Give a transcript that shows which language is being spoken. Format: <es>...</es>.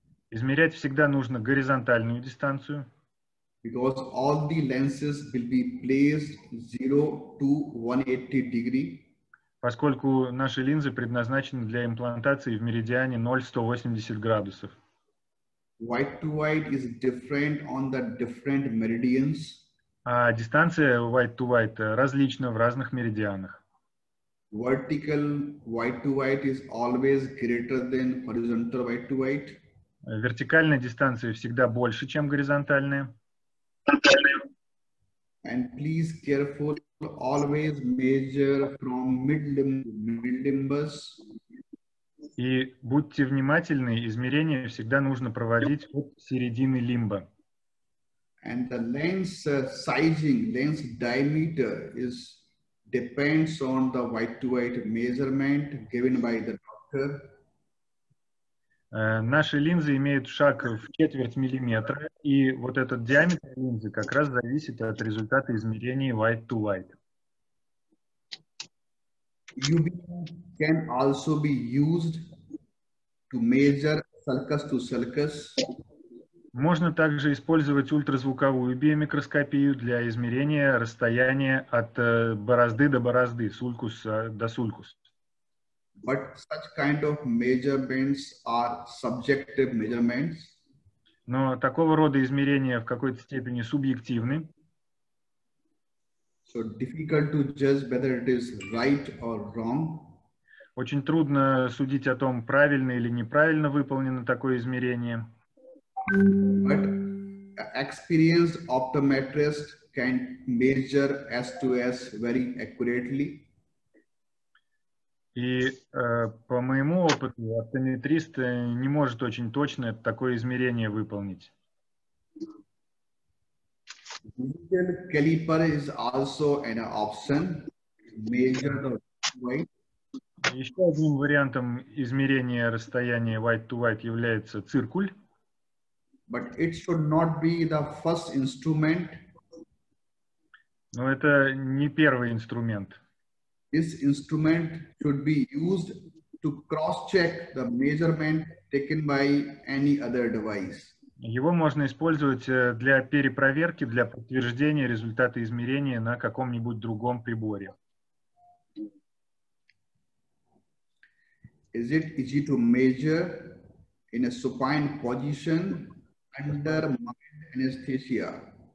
<ru>Измерять всегда нужно горизонтальную дистанцию.</ru> <en>Because all the lenses will be placed 0 to 180 degree.</en> <ru>Поскольку наши линзы предназначены для имплантации в меридиане 0-180 градусов.</ru> <en>White to white is different on the different meridians.</en> <ru>А дистанция white-to-white различна в разных меридианах.</ru> <en>Vertical white-to-white is always greater than horizontal white-to-white.</en> <ru>Вертикальная дистанция всегда больше, чем горизонтальная.</ru> <en>And please careful, always measure from mid-limbus.</en> <ru>И будьте внимательны, измерения всегда нужно проводить от середины лимба.</ru> <en>And the lens sizing, lens diameter is depends on the white-to-white measurement given by the doctor.</en> <ru>Наши линзы имеют шаг в четверть миллиметра, и вот этот диаметр линзы как раз зависит от результата измерений white-to-white.</ru> <en>UV can also be used to measure sulcus to sulcus.</en> <ru>Можно также использовать ультразвуковую биомикроскопию для измерения расстояния от борозды до борозды, сулькус до сулькус.</ru> <en>But such kind of measurements are subjective measurements.</en> <ru>Но такого рода измерения в какой-то степени субъективны.</ru> <en>So difficult to judge whether it is right or wrong.</en> <ru>Очень трудно судить о том, правильно или неправильно выполнено такое измерение.</ru> <en>But experienced optometrist can measure S2S very accurately.</en> <ru>И по моему опыту оптометрист не может очень точно такое измерение выполнить.</ru> <en>Digital caliper is also an option. Measure the white.</en> <ru>Еще одним вариантом измерения расстояния white-to-white является циркуль.</ru> <en>But it should not be the first instrument.</en> <ru>Но это не первый инструмент.</ru> <en>This instrument should be used to cross-check the measurement taken by any other device.</en> <ru>Его можно использовать для перепроверки, для подтверждения результата измерения на каком-нибудь другом приборе.</ru> <en>Is it easy to measure in a supine position under mild anesthesia?</en>